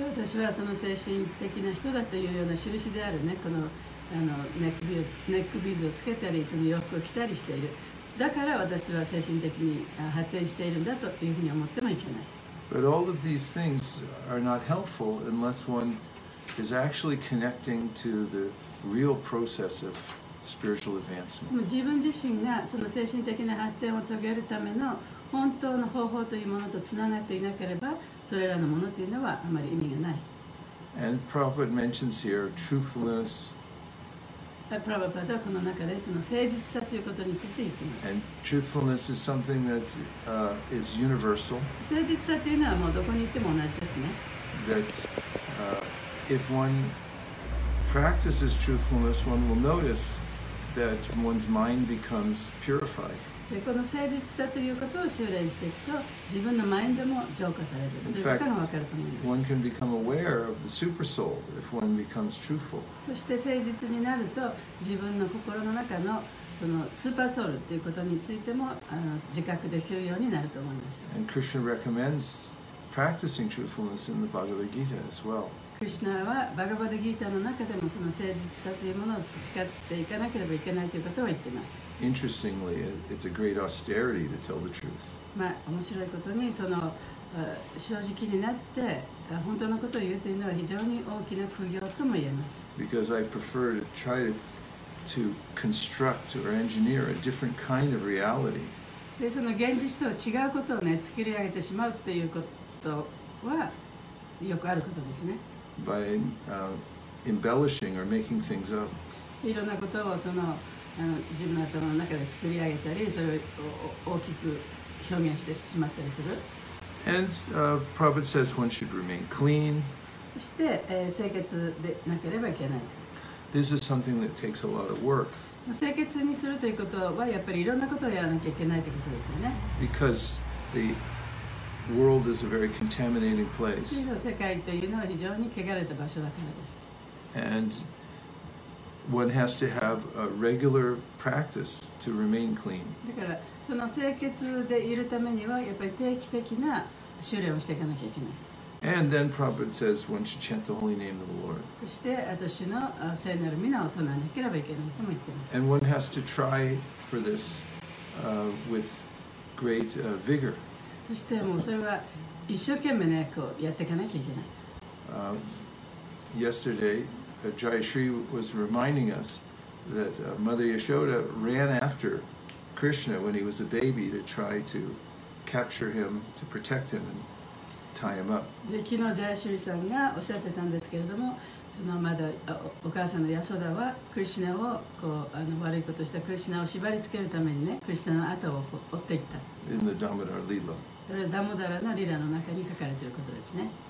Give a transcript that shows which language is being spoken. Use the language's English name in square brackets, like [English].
[Japanese] 私はその精神的な人だというような印であるね、この、ネックビーズをつけたり、その洋服を着たりしている。だから私は精神的に発展しているんだというふうに思ってもいけない。 [English] But all of these things are not helpful unless one is actually connecting to the real process of spiritual advancement. [Japanese] 自分自身がその精神的な発展を遂げるための本当の方法というものとつながっていなければ、それらのものというのはあまり意味がない。 [English] And Prabhupada mentions here truthfulness. [Japanese] Prabhupada はこの中でその誠実さということについて言っています。 [English] And truthfulness is something that is universal. [Japanese] 誠実さというのはもうどこに行っても同じですね。 [English] That if one practices truthfulness, one will notice that one's mind becomes purified. [Japanese] でこの誠実さということを修練していくと自分のマインドも浄化されるということが分かると思います。 [English] In fact, one can become aware of the super soul if one becomes truthful. [Japanese] そして誠実になると自分の心の中のそのスーパーソウルということについても自覚できるようになると思います。 [English] And Krishna recommends practicing truthfulness in the Bhagavad Gita as well. [Japanese] クリシュナはバガヴァッダ・ギータの中でもその誠実さというものを培っていかなければいけないということを言っています。 [English] Interestingly, it's a great austerity to tell the truth. [Japanese] まあ面白いことにその正直になって本当のことを言うというのは非常に大きな苦行とも言えます。 [English] Because I prefer to try to construct or engineer a different kind of reality. [Japanese] でその現実とは違うことをね作り上げてしまうということはよくあることですね。 [English] By embellishing or making things up. [Japanese] いろんなことをその自分の頭の中で作り上げたり、それを大きく表現してしまったりする。 [English] And Prabhupada says one should remain clean. [Japanese] そして、清潔でなければいけない。 [English] This is something that takes a lot of work. [Japanese] 清潔にするということはやっぱりいろんなことをやらなきゃいけないということですよね。 [English] Because the world is a very contaminating place. [Japanese] 世界というのは非常に汚れた場所だからです。 [English] AndOne has to have a regular practice to remain clean. [Japanese] だからその清潔でいるためにはやっぱり定期的な修練をしていかなきゃいけない。 [English] And then Prabhupada says one should chant the holy name of the Lord. [Japanese] そして私の聖なる皆を唱えなければいけないとも言ってます。 [English] And one has to try for this with great vigor. [Japanese] そしてもうそれは一生懸命ねこうやっていかなきゃいけない。 [English] Yesterday. Jayashri was reminding us that Mother Yashoda ran after Krishna when he was a baby to try to capture him, to protect him and tie him up. [Japanese] で、昨日 Jayashri さんがおっしゃってたんですけれども、そのまだお母さんのヤソダはクリシナをこう悪いことしたクリシナを縛りつけるためにね、クリシナの後を追っていった。 [English] In the Damodara Lila. [Japanese] それはダモダラのリラの中に書かれていることですね。